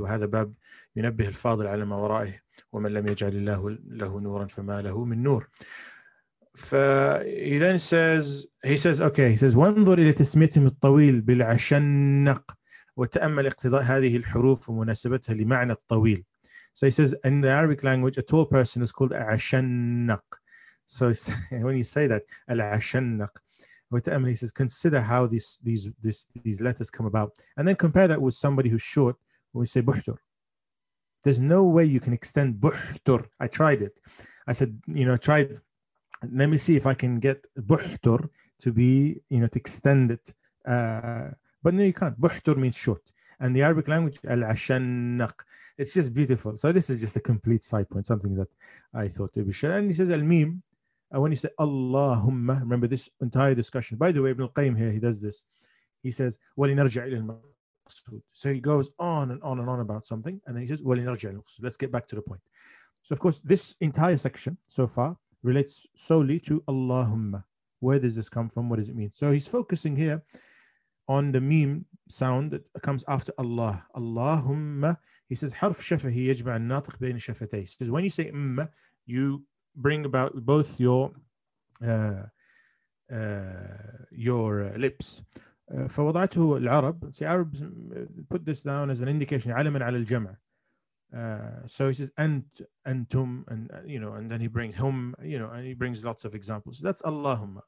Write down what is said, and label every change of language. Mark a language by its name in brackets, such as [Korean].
[Arabic] وهذا باب ينبه الفاضل على ما ورائه, ومن لم يجعل الله له نورا فما له من نور. [English] He then says, he says, [Arabic] okay, he says, وانظر إلى تسميتهم الطويل بالعشنق وتأمل اقتضاء هذه الحروف ومناسبتها لمعنى الطويل. [English] So he says, in the Arabic language, a tall person is called عشنق. So when you say that, العشنق, وتأمل, he says, consider how these letters come about. And then compare that with somebody who's short, when we say بحتر. There's no way you can extend بحتر. I tried it. I said, you know, let me see if I can get buhtur to be, you know, to extend it. But no, you can't. Buhtur means short. And the Arabic language, al-ashannaq, it's just beautiful. So this is just a complete side point, something that I thought to be shared. And he says, al-meem, when you say Allahumma, remember this entire discussion. By the way, Ibn al-Qayyim here, he does this. He says, [Arabic] walinarja' ila al-maqsood. [English] So he goes on and on and on about something. And then he says, [Arabic] walinarja' ila al-maqsood. [English] Let's get back to the point. So of course, this entire section so far relates solely to Allahumma. Where does this come from? What does it mean? So he's focusing here on the meme sound that comes after Allah. Allahumma. He says, [Arabic] حرف شفه يجمع الناطق بين شفتيه. [English] He says, when you say umma, you bring about both your lips. [Arabic] فوضعته العرب. [English] See, Arabs put this down as an indication. [Arabic] علما على الجمع. [English] So he says antum, and you know, and then he brings hum, you know, and he brings lots of examples. So that's Allahumma.